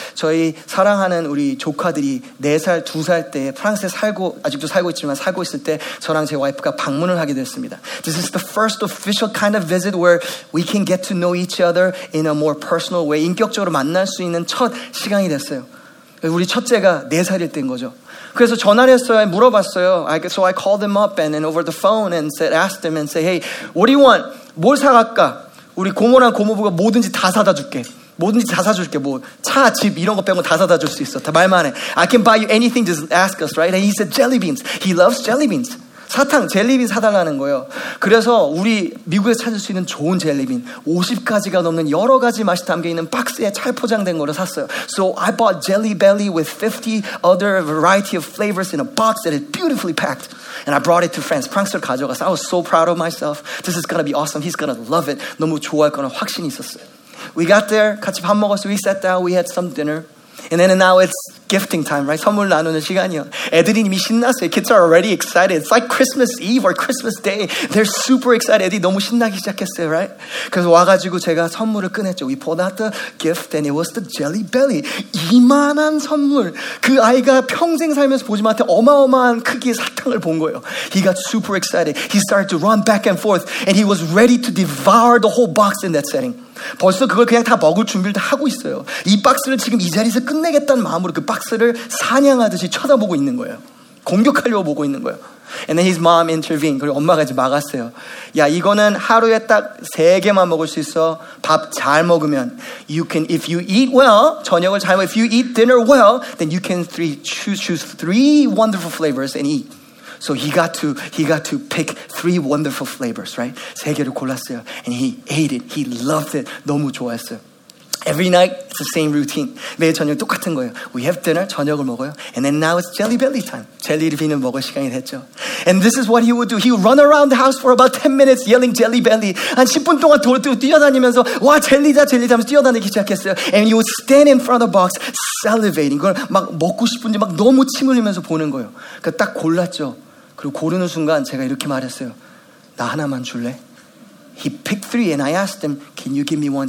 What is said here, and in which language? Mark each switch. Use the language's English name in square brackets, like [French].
[Korean] 저희 사랑하는 우리 조카들이 4살, 2살 때 프랑스에 살고 아직도 살고 있지만 살고 있을 때 저랑 제 와이프가 방문을 하게 됐습니다. [English] This is the first official kind of visit where we can get to know each other in a more personal way. [Korean] 인격적으로 만날 수 있는 첫 시간이 됐어요. 우리 첫째가 4살일 때인 거죠. 그래서 전화를 했어요. 물어봤어요. [English] So I called him up and over the phone and said, asked him and said, hey, what do you want? [Korean] 뭘 사갈까? 우리 고모랑 고모부가 뭐든지 다 사다 줄게. 뭐든지 다 사줄게. 뭐 차, 집 이런 거 빼고 다 사다 줄 수 있어. 다 말만 해. [English] I can buy you anything, just ask us, right? And he said, jelly beans. He loves jelly beans. [Korean] 사탕, 젤리빈 사달라는 거예요. 그래서 우리 미국에서 찾을 수 있는 좋은 젤리빈 50가지가 넘는 여러 가지 맛이 담겨있는 박스에 잘 포장된 거를 샀어요. [English] So I bought Jelly Belly with 50 other variety of flavors in a box that is beautifully packed. And I brought it to France. [Korean] 프랑스를 가져가서 [English] I was so proud of myself. This is gonna be awesome. He's gonna love it. [Korean] 너무 좋아할 거는 확신이 있었어요. [English] We got there. [Korean] 같이 밥 먹었어요. [English] We sat down. We had some dinner. And then and now it's gifting time, right? [Korean] 선물 나누는 시간이요. 애들이 이미 신났어요. [English] Kids are already excited. It's like Christmas Eve or Christmas Day. They're super excited. [Korean] 애들이 너무 신나기 시작했어요, right? 그래서 와가지고 제가 선물을 꺼냈죠. [English] We pulled out the gift and it was the Jelly Belly. [Korean] 이만한 선물. 그 아이가 평생 살면서 보지 못한 어마어마한 크기의 사탕을 본 거예요. [English] He got super excited. He started to run back and forth and he was ready to devour the whole box in that setting. [Korean] 벌써 그걸 그냥 다 먹을 준비를 다 하고 있어요. 이 박스를 지금 이 자리에서 끝내겠다는 마음으로 그 박스를 사냥하듯이 쳐다보고 있는 거예요. 공격하려고 보고 있는 거예요. [English] And then his mom intervened. [Korean] 그리고 엄마가 이제 막았어요. 야, 이거는 하루에 딱 세 개만 먹을 수 있어. 밥 잘 먹으면. [English] You can, if you eat well, [Korean] 저녁을 잘 먹으면, [English] if you eat dinner well, then you can choose three wonderful flavors and eat. So he got to pick three wonderful flavors, right? [Korean] 세 개를 골랐어요. [English] And he ate it. He loved it. [Korean] 너무 좋아했어요. [English] Every night, it's the same routine. [Korean] 매일 저녁 똑같은 거예요. [English] We have dinner, [Korean] 저녁을 먹어요. [English] And then now it's jelly belly time. [Korean] 젤리빈을 먹을 시간이 됐죠. [English] And this is what he would do. He would run around the house for about 10 minutes yelling jelly belly. [Korean] 한 10분 동안 뛰어다니면서 와, 젤리다, 젤리다 하면서 뛰어다니기 시작했어요. And he would stand in front of the box, salivating. 그걸 막 먹고 싶은지 막 너무 침 흘리면서 보는 거예요. 그러니까 딱 골랐죠. 그리고 고르는 순간 제가 이렇게 말했어요. 나 하나만 줄래? [English] He picked three and I asked him, can you give me one?